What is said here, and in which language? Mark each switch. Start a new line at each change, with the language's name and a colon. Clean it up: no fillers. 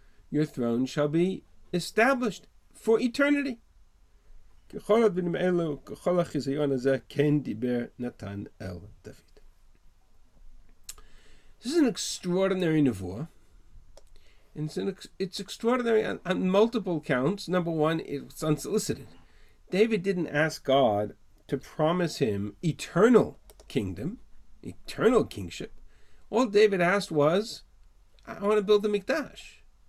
English: Your throne shall be established for eternity.
Hebrew: ככל הדברים אלו, ככל החיזיון הזה, כן דיבר נתן אל דוד.
English: This is an extraordinary nevuah. It's extraordinary on multiple counts. Number one, it's unsolicited. David didn't ask God to promise him eternal kingdom, eternal kingship. All David asked was, I want to build the Mikdash.